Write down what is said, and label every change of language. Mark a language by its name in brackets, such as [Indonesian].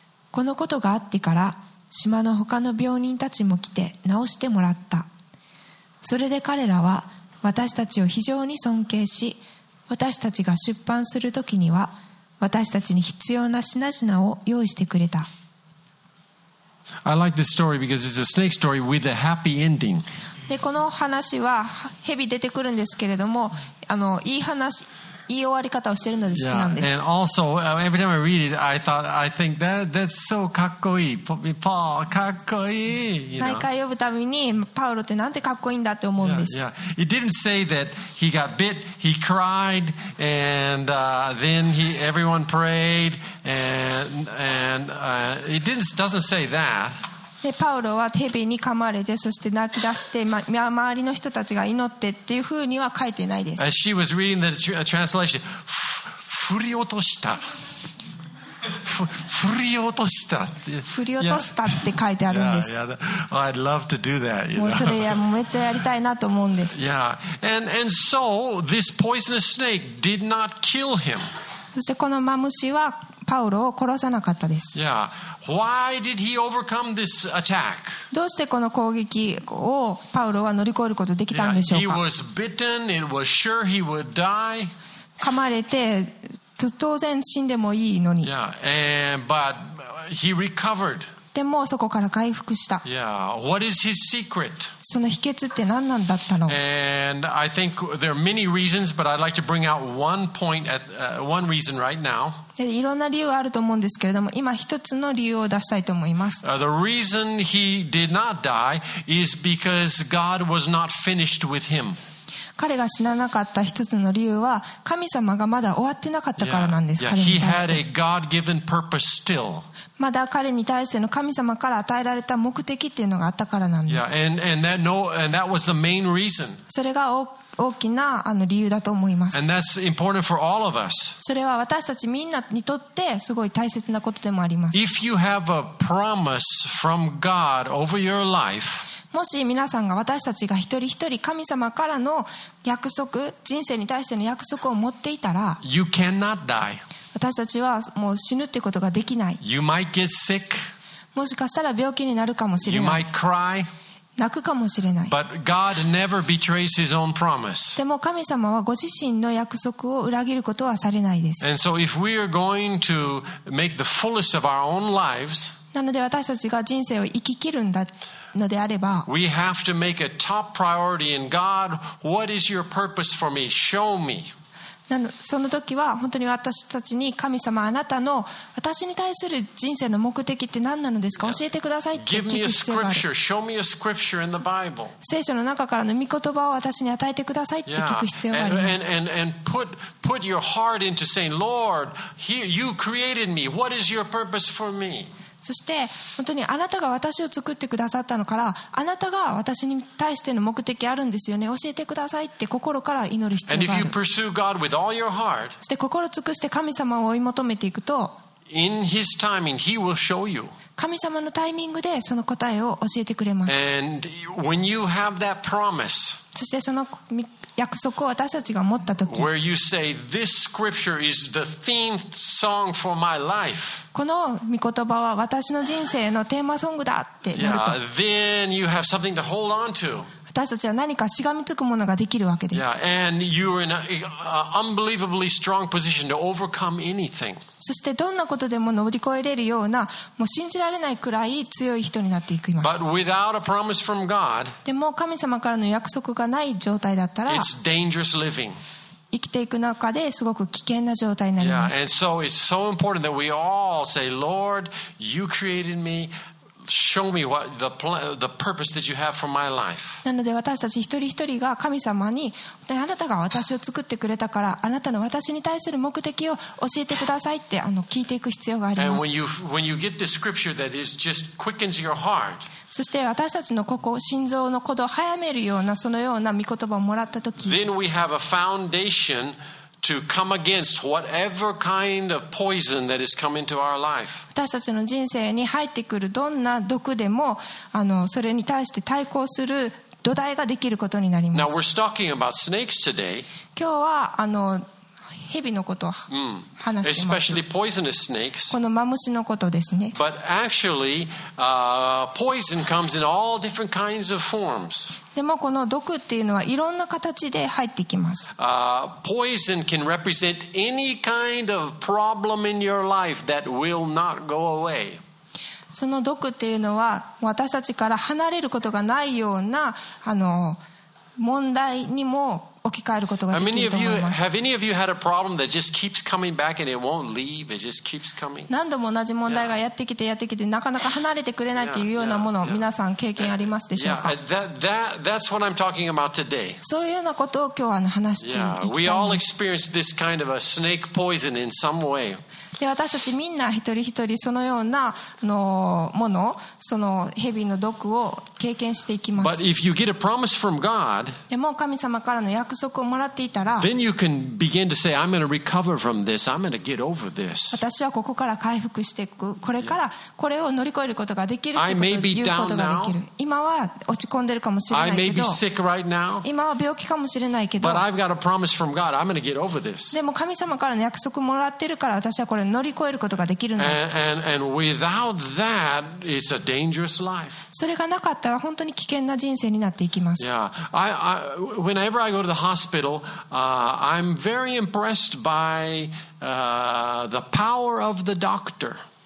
[Japanese] このことがあってから島の他の病人たちも来て治してもらった。それで彼らは私たちを非常に尊敬し、私たちが出版するときには私たちに必要な品々を用意してくれた。 [English] I like this story because it's a snake story with a happy ending. [Japanese] で、この話は蛇出てくるんですけれども、いい話、いい終わり方をしているので好きなんです。 [English] Yeah, and also, every time I read it, I think that's so [Japanese] かっこいい。 Paul, かっこいい。毎回呼ぶたびに、パウロってなんてかっこいいんだって思うんです。 [English] Yeah, it didn't say that he got bit, he cried, and then everyone prayed, and it doesn't say that. [Japanese] でパウロは蛇に噛まれて、そして泣き出して、ま、周りの人たちが祈ってっていうふうには書いてないです。 [English] She was reading the translation. [Japanese] 振り落とした。振り落とした。振り落としたって書いてあるんです。 [English] Yeah, yeah. I'd love to do that, you know. [Japanese] もうそれや、めっちゃやりたいなと思うんです。 [English] Yeah. And so this poisonous snake did not kill him. [Japanese] そしてこのマムシはパウロを殺さなかったです。 [English] Yeah. Why did he overcome this attack? [Japanese] どうしてこの攻撃をパウロは乗り越えることができたんでしょうか。 [English] Yeah. He was bitten. It was sure he would die. [Japanese] 噛まれて当然死んでもいいのに。 [English] Yeah. And, but he recovered. [Japanese] でもそこから回復した。 [English] Yeah. What is his secret? [Japanese] その秘訣って何なんだったの。 [English] And I think there are many reasons, but I'd like to bring out one point at one reason right now. [Japanese] いろんな理由があると思うんですけれども、今一つの理由を出したいと思います。 [English] The reason he did not die is because God was not finished with him. [Japanese] 彼が死ななかった一つの理由は、神様がまだ終わってなかったからなんです。 [English] Yeah, yeah. He had a God-given purpose still. [Japanese] まだ彼に対しての神様から与えられた目的っていうのがあったからなんです。 [English] Yeah, and that was the main reason. [Japanese] それが大きな理由だと思います。 [English] And that's important for all of us. [Japanese] それは私たちみんなにとってすごい大切なことでもあります。 [English] If you have a promise from God over your life, [Japanese] もし皆さんが私たちが一人一人神様からの約束、人生に対しての約束を持っていたら、 [English] you cannot die. [Japanese] 私たちはもう死ぬってことができない。 [English] You might get sick. [Japanese] もしかしたら病気になるかもしれない。 [English] You might cry. [Japanese] 泣くかもしれない。 [English] But God never betrays his own promise. [Japanese] でも神様はご自身の約束を裏切ることはされないです。 [English] And so if we are going to make the fullest of our own lives, [Japanese] なので私たちが人生を生き切るんだのであれば、 [English] we have to make a top priority in God. What is your purpose for me? Show me. [Japanese] その時は本当に私たちに神様あなたの私に対する人生の目的って何なのですか教えてくださいって聞く必要がある。聖書の中からの御言葉を私に与えてくださいって聞く必要があります。 [English] and put your heart into saying, Lord, you created me. What is your purpose for me? [Japanese] そして本当にあなたが私を作ってくださったのから、あなたが私に対しての目的あるんですよね、教えてくださいって心から祈る必要がある。 [English] God with all your heart, [Japanese] そして心尽くして神様を追い求めていくと、 [English] in his timing, he will show you. [Japanese] 神様のタイミングでその答えを教えてくれます。 [English] And when you have that promise, [Japanese] そしてその約束を私たちが持ったとき、 [English] where you say, this scripture is the theme song for my life. [Japanese] この御言葉は私の人生のテーマソングだってなると、 [English] yeah, then you have something to hold on to. [Japanese] 私たちは何かしがみつくものができるわけです。 [English] Yeah, and you're in an unbelievably strong position to overcome anything. [Japanese] そしてどんなことでも乗り越えれるようなもう信じられないくらい強い人になっていきます。 [English] But without a promise from God, [Japanese] でも神様からの約束がない状態だったら [English] It's dangerous living. [Japanese] 生きていく中ですごく危険な状態になります。 [English] Yeah, and so it's so important that we all say, Lord, you created me. Show me what the purpose that you have for my life. [Japanese] なので私たち一人一人が神様に、あなたが私を作ってくれたから、あなたの私に対する目的を教えてくださいって聞いていく必要があります。 [English] And when you get this scripture that is just quickens your heart. [Japanese] そして私たちのここ心臓の鼓動を早めるようなそのような御言葉をもらったとき、 [English] Then we have a foundation to come against whatever kind of poison that has come into our life. [Japanese] 私たちの人生に入ってくるどんな毒でもそれに対して対抗する土台ができることになります。 [English] Now we're talking about snakes today. [Japanese] 今日は蛇のことを話しています。 [English] Especially poisonous snakes. [Japanese] このマムシのことですね。 [English] But actually, poison comes in all different kinds of forms. [Japanese] でもこの毒っていうのはいろんな形で入ってきます。 [English] Poison can represent any kind of problem in your life that will not go away. [Japanese] その毒っていうのは私たちから離れることがないような問題にも置き換えることができると思います。 [English] Have any of you had a problem that just keeps coming back and it won't leave? It just keeps coming. [Japanese] 何度も同じ問題がやってきてやってきてなかなか離れてくれないというようなものを皆さん経験ありますでしょうか。 [English] That's what I'm talking about today. [Japanese] そういうようなことを今日は話していきたいんです。 [English] We all experience this kind of a snake poison in some way. [Japanese] で私たちみんな一人一人そのようなものその蛇の毒を経験していきます。 [English] But if you get a promise from God, [Japanese] でも神様からの約束をもらっていたら [English] then you can begin to say, I'm going to recover from this. I'm going to get over this. [Japanese] 私はここから回復していく、これからこれを乗り越えることができるということができる。今は落ち込んでるかもしれないけど [English] I may be sick right now, [Japanese] 今は病気かもしれないけど [English] But I've got a promise from God. I'm going to get over this. [Japanese] でも神様からの約束もらってるから私はこれ乗り越えることができるんだ。 [English] and without that, it's a dangerous life. [Japanese] それがなかったら本当に危険な人生になっていきます。 [English] Yeah, whenever I go to the hospital, I'm very impressed by the power of the doctor.